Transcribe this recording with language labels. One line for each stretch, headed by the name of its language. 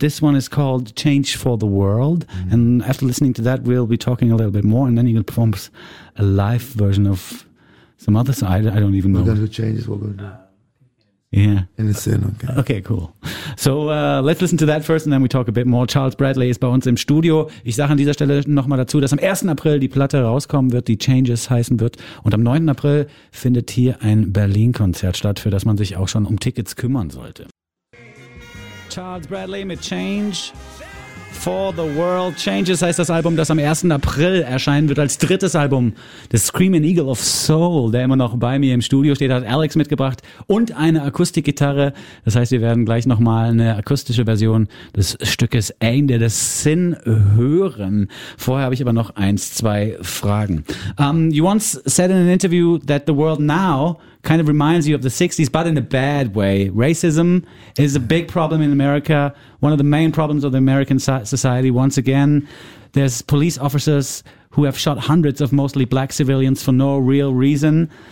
English: This one is called Change for the World, and after listening to that, we'll be talking a little bit more, and then you can perform a live version of some other song. I don't even know. We're going to do Changes, we're going to do. Yeah. In a sin, okay. Okay, cool. So let's listen to that first and then we talk a bit more.
German: Charles Bradley ist bei uns im Studio. Ich sage an dieser Stelle nochmal dazu, dass am 1. April die Platte rauskommen wird, die Changes heißen wird. Und am 9. April findet hier ein Berlin-Konzert statt, für das man sich auch schon um Tickets kümmern sollte. Charles Bradley mit Change for the World. Changes heißt das Album, das am 1. April erscheinen wird als drittes Album des Screaming Eagle of Soul, der immer noch bei mir im Studio steht, hat Alex mitgebracht und eine Akustikgitarre. Das heißt, wir werden gleich nochmal eine akustische Version des Stückes Ende des Sin hören. Vorher habe ich aber noch eins, zwei Fragen.
English: You once said in an interview that the world now kind of reminds you of the 60s, but in a bad way. Racism is a big problem in America, one of the main problems of the American society. Once again, there's police officers who have shot hundreds of mostly black civilians for no real reason.